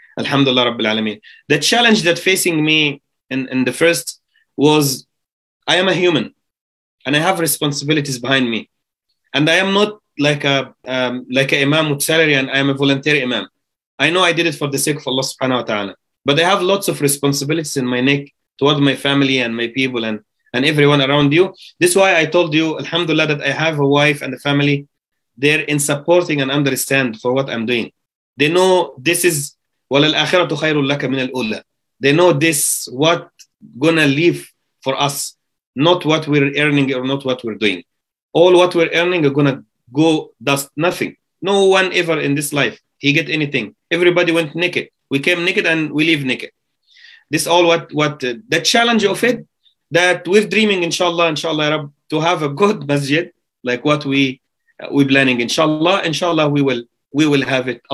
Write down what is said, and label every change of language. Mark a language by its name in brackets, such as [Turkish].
[English] Alhamdulillah, Rabbil Alameen. The challenge that facing me in the first was, I am a human, and I have responsibilities behind me, and I am not like a imam with salary, and I am a voluntary imam. I know I did it for the sake of Allah Subhanahu wa Taala, but I have lots of responsibilities in my neck toward my family and my people and everyone around you. This is why I told you, Alhamdulillah, that I have a wife and a family there in supporting and understand for what I'm doing. They know this is [Arabic] وَلَلْآخِرَةُ خَيْرٌ لَكَ مِنَ الْأُولَى. [English] They know this, what gonna leave for us, not what we're earning or not what we're doing. All what we're earning are gonna go dust, nothing. No one ever in this life, he get anything. Everybody went naked. We came naked and we leave naked. This all what the challenge of it, that we're dreaming, inshallah, Rabb, to have a good masjid, like what we're planning, inshallah, we will have it.